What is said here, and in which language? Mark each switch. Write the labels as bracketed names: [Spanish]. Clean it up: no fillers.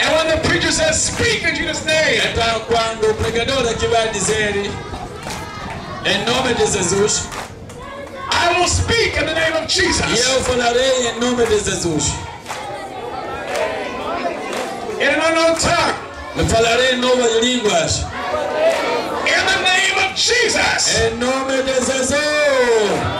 [English] And when the preacher says, speak in Jesus' name. [Portuguese] Então, quando o pregador aqui vai dizer, em nome de Jesus, [English] I will speak in the name of Jesus. [Portuguese] E eu falarei em nome de Jesus. [English] In an unknown tongue. [Portuguese] Eu falarei em novas línguas. [English] In the name of Jesus. [Portuguese] Em nome de Jesus.